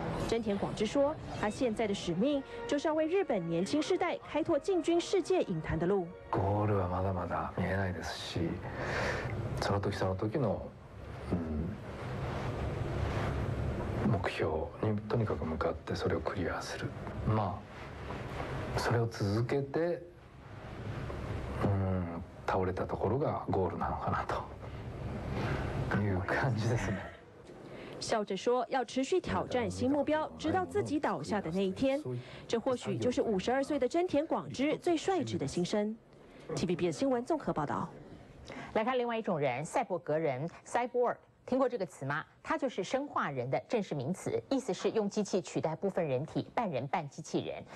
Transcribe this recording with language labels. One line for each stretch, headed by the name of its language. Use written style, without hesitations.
Chinese: 真田广之说，他现在的使命就是要为日本年轻世代开拓进军世界影坛的路。
Japanese: ゴールはまだまだ見えないですし、その時その時の、目標にとにかく向かってそれをクリアする。まあそれを続けて、倒れたところがゴールなのかなという感じですね。
Chinese: 笑着说要持续挑战新目标，直到自己倒下的那一天。这或许就是52岁的真田广之最率直的心声。 TVBS 新闻综合报道。来看另外一种人，赛博格人 Cyborg， 听过这个词吗？它就是生化人的正式名词，意思是用机器取代部分人体，半人半机器人。